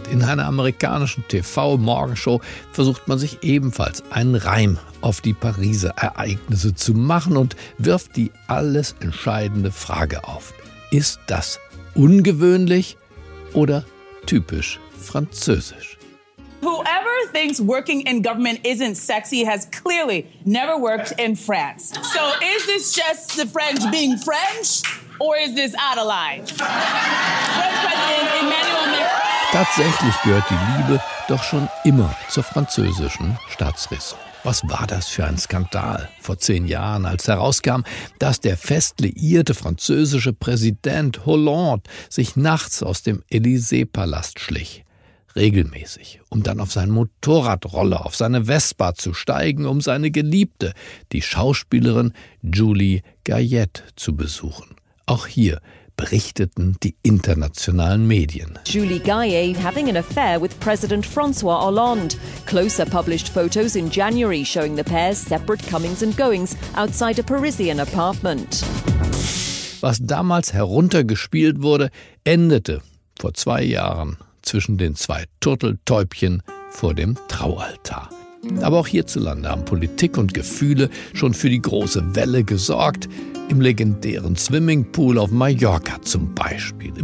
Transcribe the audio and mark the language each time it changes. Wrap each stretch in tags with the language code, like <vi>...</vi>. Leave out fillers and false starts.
<de>In einer amerikanischen TV-Morgenshow versucht man sich ebenfalls einen Reim auf die Pariser Ereignisse zu machen und wirft die alles entscheidende Frage auf. Ist das ungewöhnlich oder typisch französisch?</de> <en>Whoever thinks working in government isn't sexy has clearly never worked in France. So is this just the French being French or is this out of line? French President Emmanuel Macron.</en> <de>Tatsächlich gehört die Liebe doch schon immer zur französischen Staatsräson. Was war das für ein Skandal vor 10 Jahren, als herauskam, dass der fest liierte französische Präsident Hollande sich nachts aus dem Élysée-Palast schlich, regelmäßig, um dann auf seinen Motorradroller, auf seine Vespa zu steigen, um seine Geliebte, die Schauspielerin Julie Gayet, zu besuchen. Auch hier berichteten die internationalen Medien.</de> <en>Julie Gayet having an affair with President François Hollande. Closer published photos in January showing the pair's separate comings and goings outside a Parisian apartment.</en> <de>Was damals heruntergespielt wurde, endete vor 2 Jahren zwischen den 2 Turteltäubchen vor dem Traualtar. Aber auch hierzulande haben Politik und Gefühle schon für die große Welle gesorgt. Im legendären Swimmingpool auf Mallorca zum Beispiel.</de>